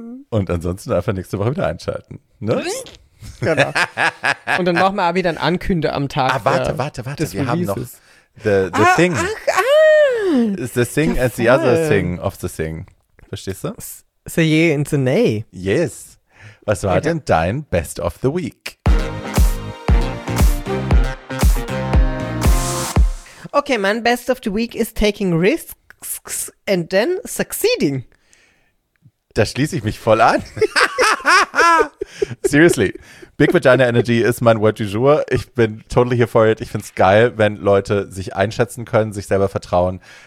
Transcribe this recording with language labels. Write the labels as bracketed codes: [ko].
[de] Und ansonsten einfach nächste Woche wieder einschalten, ne? Genau. Und dann machen wir auch wieder ein Ankünde am Tag. Ah, warte, wir haben noch [en] the thing. The thing is the other thing of the thing. [de] Verstehst du? [en] So ye and so nay. Yes. [de] Was war denn dein Best of the Week? Okay, mein [en] Best of the Week is taking risks and then succeeding. [de] Da schließe ich mich voll an. [en] Seriously, [de] Big Vagina Energy ist mein Word du jour. Ich bin [en] totally here for it. [de] Ich finde es geil, wenn Leute sich einschätzen können, sich selber vertrauen.